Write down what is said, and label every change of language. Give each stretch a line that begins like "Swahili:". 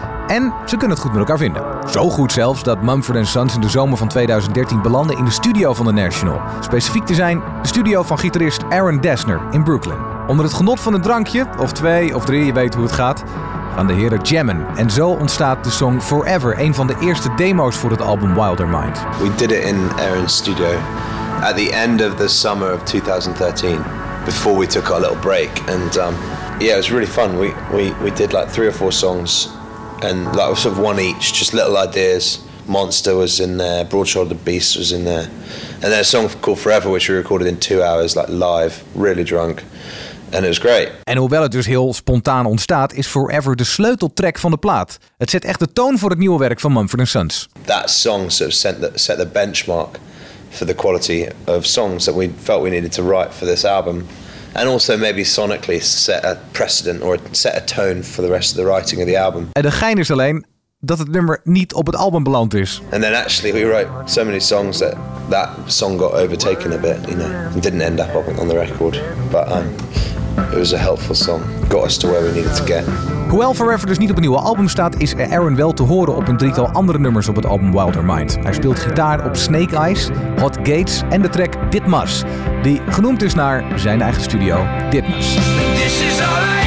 Dutch: En ze kunnen het goed met elkaar vinden. Zo goed zelfs dat Mumford & Sons in de zomer van 2013 belanden in de studio van The National. Specifiek te zijn, de studio van gitarist Aaron Dessner in Brooklyn. Onder het genot van een drankje, of twee of drie, je weet hoe het gaat, gaan de heren jammen. En zo ontstaat de song Forever, een van de eerste demo's voor het album Wilder Mind.
English: We did it in Aaron's studio. At the end of the summer of 2013, before we took our little break, and yeah, it was really fun. We did like three or four songs, and like sort of one each, just little ideas. Monster was in there, Broad-Shouldered Beast was in there, and then a song called Forever, which we recorded in 2 hours, like live, really drunk, and it was great.
Dutch: En hoewel het dus heel spontaan ontstaat, is Forever de sleuteltrack van de plaat. Het zet echt de toon voor het nieuwe werk van Mumford & Sons.
English: That song sort of set the benchmark for the quality of songs that we felt we needed to write for this album, and also maybe sonically set a precedent or set a tone for the rest of the writing of the album.
Dutch: En de gein is alleen dat het nummer niet op het album beland is.
English: And then actually we wrote so many songs that that song got overtaken a bit, you know, and didn't end up on the record, but it was a helpful song, got us to where we needed to get.
Dutch: Hoewel Forever dus niet op een nieuwe album staat, is Aaron wel te horen op een drietal andere nummers op het album Wilder Mind. Hij speelt gitaar op Snake Eyes, Hot Gates en de track Ditmas, die genoemd is naar zijn eigen studio Ditmas.